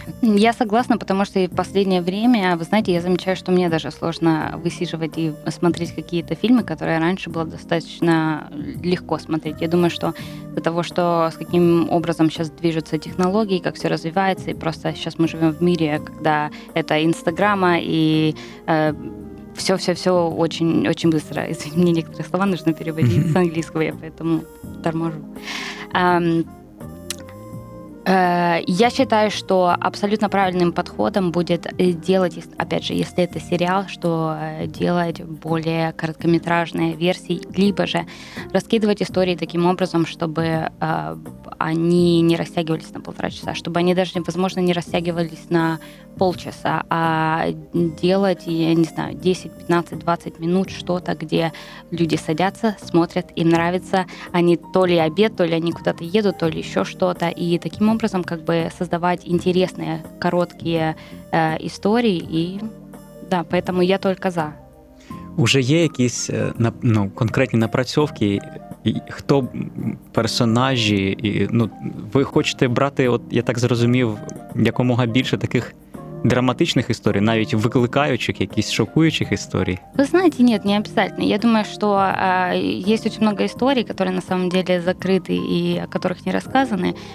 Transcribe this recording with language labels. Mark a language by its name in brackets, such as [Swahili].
[Ukrainian] Я согласна, тому що в останнє время, ви знаєте, я замечаю, що мені навіть сложно висиджувати і смотреть якісь фільми, які раніше було достатньо легко смотреть. Я думаю, що з-за того, що з яким образом зараз движуться технології, як все розвивається, і просто зараз ми живемо в мірі, коли це Інстаграма і... [Russian] Все очень, очень быстро. Извини, мне некоторые слова нужно переводить с английского, я поэтому торможу. Я считаю, что абсолютно правильным подходом будет делать, опять же, если это сериал, что делать более короткометражные версии, либо же раскидывать истории таким образом, чтобы они не растягивались на полтора часа, чтобы они даже, возможно, не растягивались на полчаса, а делать, я не знаю, 10, 15, 20 минут что-то, где люди садятся, смотрят, им нравится, они то ли обед, то ли они куда-то едут, то ли еще что-то, и таким образом как бы создавать интересные короткие истории, и да, поэтому я только за. Уже есть какие-то конкретные напрацовки, [Ukrainian] і хто персонажі, і ви хочете брати, от я так зрозумів, якомога більше таких драматичних історій, навіть викликаючих, якісь шокуючих історій? Ви знаєте, ні, не обов'язково. Я думаю, що є дуже багато історій, які насправді закриті і о яких не розказані.